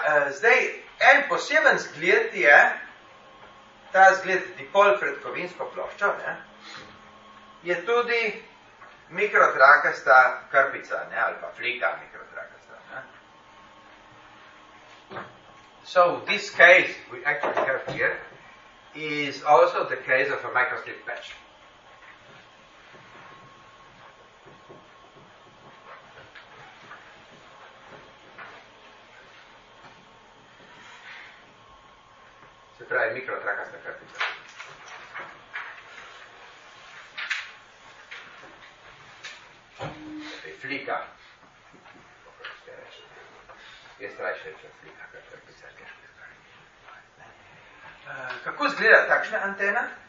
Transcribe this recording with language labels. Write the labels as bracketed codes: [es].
[sl] Zdaj, en poseben zgled je ta zgled dipol pred kovinsko ploščo, ne, je tudi mikrotrakasta krpica, ne, ali pa flika mikrotrakasta, ne. [en] So, this case we actually have here is also the case of a microstrip patch. [sl] Pravi mikrotrakasta krpica. To je flika. Je strašna reč flika, kot krpica. Kako izgleda takšna antena?